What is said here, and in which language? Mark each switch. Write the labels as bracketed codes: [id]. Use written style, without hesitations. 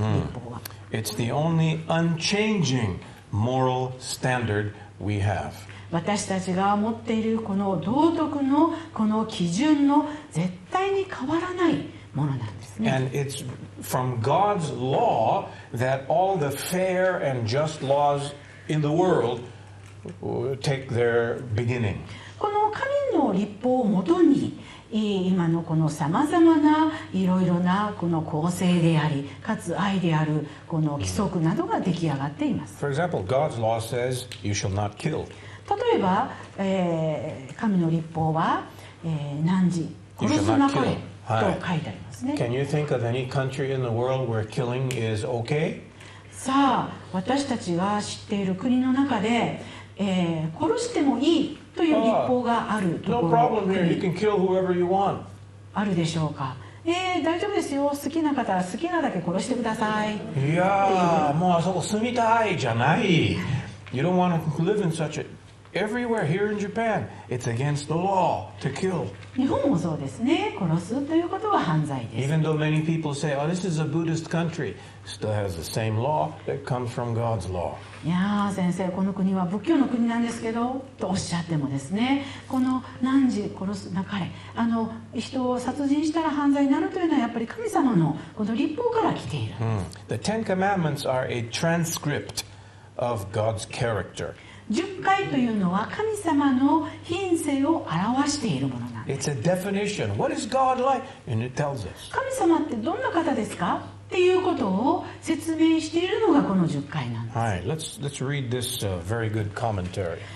[ja] 律法は。 [en] It's the only unchanging moral standard we have. [ja] 私たちが持っているこの道徳のこの基準の絶対に変わらないものなんですね。 [en] And it's from God's law that all the fair and just laws in the world take their beginning. [ja] この神の律法をもとに今のこのさまざまないろいろなこの構成でありかつ愛であるこの規則などが出来上がっています。 [en] For example, God's law says you shall not kill. [ja] 例えば、神の律法は、何時殺すなかれと書いてありますね。 [en] Can you think of any country in the world where killing is okay? [ja] さあ私たちが知っている国の中で、殺してもいいという立法があるところあるでしょうか。大丈夫ですよ、好きな方は好きなだけ殺してください。いやもうあそこ住みたいじゃない。 [en] You don't want to live in such a Everywhere here in Japan, it's against the law to kill. [ja] 日本もそうですね。殺すということは犯罪です。 [en] Even though many people say, oh, this is a Buddhist country, still has the same law that comes from God's law. [ja] いや先生、この国は仏教の国なんですけど、とおっしゃってもですね、この何時殺すなかれ、あの人を殺人したら犯罪になるというのはやっぱり神様のこの律法から来ている。 Mm. [en] The Ten Commandments are a transcript of God's character. [ja] 十戒というのは神様の品性を表しているものなんです。 [en] It's a definition. What is God like? And it tells us. [ja] 神様ってどんな方ですか？っていうことを説明しているのがこの十戒なんです。 [en] はい、let's read this very good commentary.